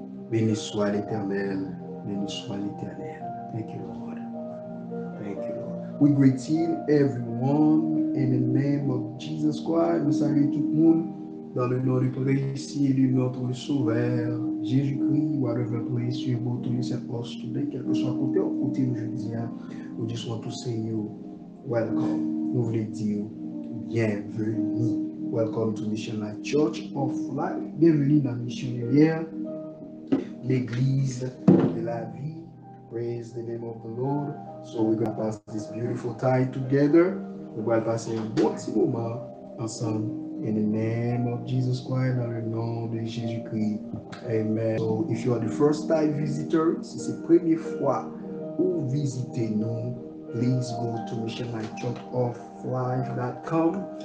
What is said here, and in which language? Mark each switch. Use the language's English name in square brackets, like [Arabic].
[French] Béni soit l'Éternel. Béni soit l'Éternel. [English] Thank you, Lord. Thank you, Lord. We greet you, everyone, in the name of Jesus Christ. [French] Nous saluons tout le monde dans le nom du précieux et de notre Sauveur, Jésus-Christ. Nous allons prier sur vous tous les saints today, quel que soit côté ou côté aujourd'hui. Nous disons à tous, Seigneur, welcome. Nous voulons dire bienvenue. [English] Welcome to Mission Life Church of Life. [French] Bienvenue dans Mission Lumière, l'église de la vie. [English] Praise the name of the Lord. So we're going to pass this beautiful time together. We're going to pass [French] un bon petit moment ensemble. [English] In the name of Jesus Christ, [French] dans le nom de Jésus-Christ. [English] Amen. So if you are the first time visitor, [French] si c'est la première fois où visitez nous, [English] please go to Mission Life Church of Life.com.